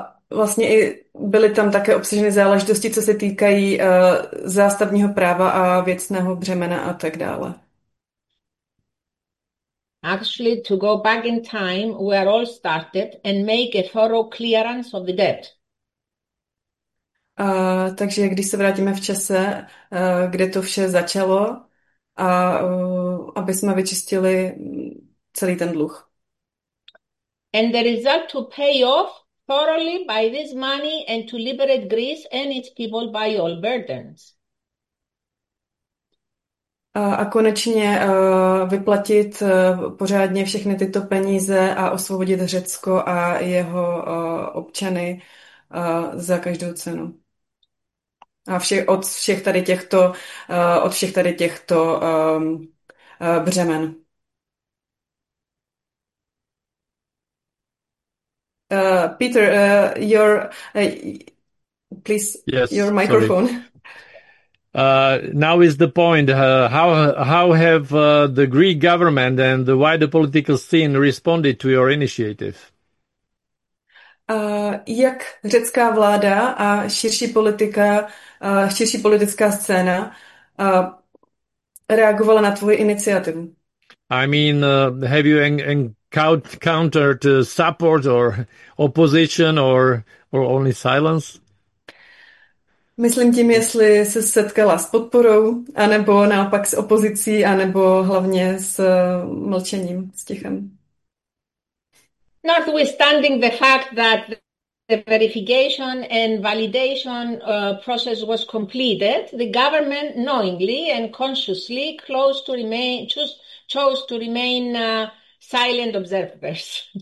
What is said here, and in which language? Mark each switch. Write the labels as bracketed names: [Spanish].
[Czech] Vlastně i byly tam také obsaženy záležitosti, co se týkají zástavního práva a věcného břemena a tak dále. [English] Actually, to go back in time, we are all started and make a thorough clearance of the debt. [Czech] Takže když se vrátíme v čase, kde to vše začalo, a aby jsme vyčistili celý ten dluh. [English] And the result to pay off thoroughly by this money and to liberate Greece and its people by all burdens. [Czech] A konečně vyplatit pořádně všechny tyto peníze a osvobodit Řecko a jeho občany za každou cenu. A všech, od všech tady těchto od všech tady těchto břemen. [English] Peter, your please yes, your sorry. microphone. Now is the point. How have the Greek government and the wider political scene responded to your initiative? [Czech] Jak řecká vláda a širší politika, širší politická scéna reagovala na tvoji iniciativu? [English] I mean, have you encountered support or opposition or only silence? [Czech] Myslím tím, jestli se setkala s podporou, anebo naopak s opozicí, anebo hlavně s mlčením, s tichem. [English] Notwithstanding the fact that the verification and validation process was completed, the government knowingly and consciously chose to remain silent observers.